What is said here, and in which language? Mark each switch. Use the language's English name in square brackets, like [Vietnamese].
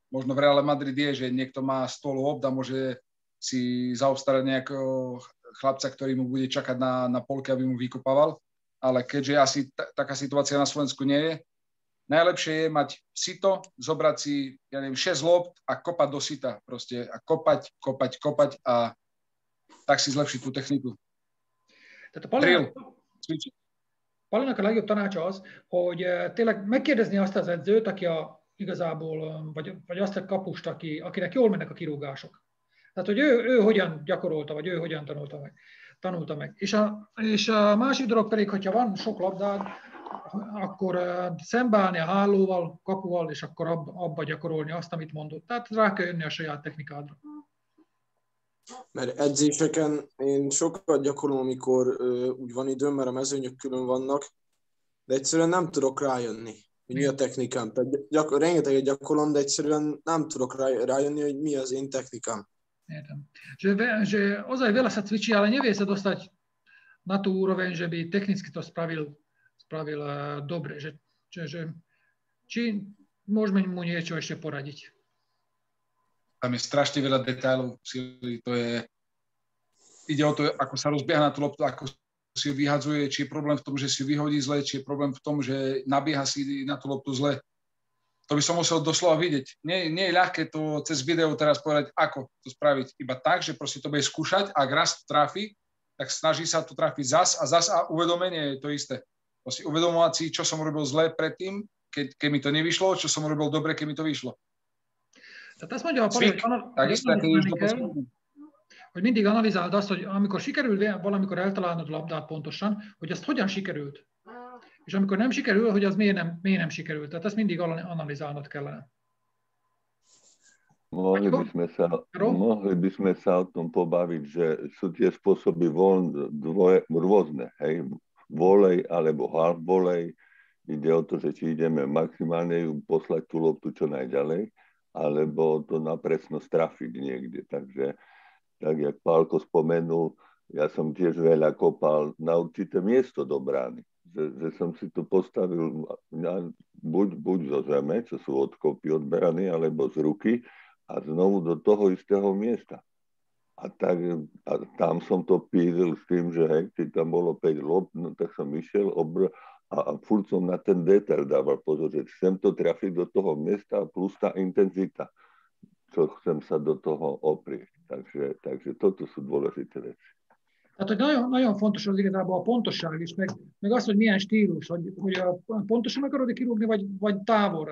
[Slovak] Možno v Reále Madrid je, že niekto má stôl hop, da môže si zaobstarať nejakého chlapca, ktorý mu bude čakať na polke, aby mu vykopával. Ale keďže asi taká situácia na Slovensku nie je, najlepšie je mať sito, zobrať si, ja neviem, 6 lopt a kopať do sita. Proste a kopať a tak si zlepšiť tú techniku. [English] Drill. [Hungarian] Palinak a legjobb tanács az, hogy tényleg megkérdezni azt az edzőt, aki igazából, vagy azt a kapust, akinek jól mennek a kirúgások. Tehát, hogy ő hogyan gyakorolta, vagy ő hogyan tanulta meg. És a másik dolog pedig, hogyha van sok labdád, akkor szembeállni a hálóval, kapuval, és akkor abba gyakorolni azt, amit mondott. Tehát rá kell jönni a saját technikádra. Mert edzéseken én sokat gyakorolom, amikor úgy van időm, mert a mezőnyök külön vannak, de egyszerűen nem tudok rájönni, hogy mi a technikám. Rengeteget gyakorolom, de egyszerűen nem tudok rájönni, hogy mi az én technikám. Értem. [Slovak] Že ozaj veľa sa cvičí, ale nevie sa dostať na tú úroveň, že by technicky to spravil dobre. Že či môžeme mu niečo ešte poradiť? Tam je strašne veľa detailov sily, to je, ide o to, ako sa rozbieha na tú loptu, ako si ju vyhadzuje, či je problém v tom, že si vyhodí zle, či je problém v tom, že nabieha si na tú loptu zle. To by som musel doslova vidieť. Nie je ľahké to cez video teraz povedať, ako to spraviť. Iba tak, že proste to bude skúšať, ak raz to trafí, tak snaží sa to trafiť zas a uvedomenie je to isté. Proste uvedomovať si, čo som robil zle predtým, keď mi to nevyšlo, čo som robil dobre, keď mi to vyšlo. [Hungarian] Tehát mondja a parancsnok, hogy mindig analizáld azt, hogy amikor sikerül valamikor eltalálnod a labdát pontosan, hogy azt hogyan sikerült. És amikor nem sikerül, hogy az miért nem sikerült. Tehát ezt mindig analizálnod kellene. [Slovak] Mohli by sme sa o tom pobaviť, že sú tie spôsoby rôzne, hej, volej alebo halfvolej. Ide o to, že či ideme maximálne ju poslať tú loptu čo najďalej, alebo to na presnosť trafiť niekde. Takže, tak jak Pálko spomenul, ja som tiež veľa kopal na určité miesto do brány. Že som si to postavil buď zo zeme, čo sú odkopy od brány, alebo z ruky, a znovu do toho istého miesta. A tam som to pízil s tým, že hej, keď tam bolo 5 lob, no tak som išiel a furt som na ten detail dával pozor, že chcem to trafiť do toho miesta plus tá intenzita, čo chcem sa do toho oprieť. Takže toto sú dôležité veci. [Hungarian] Tehát nagyon, nagyon fontos az igazából a pontosság is, meg az, hogy milyen stílus, hogy pontosan akarod-e kirúgni, vagy távolra.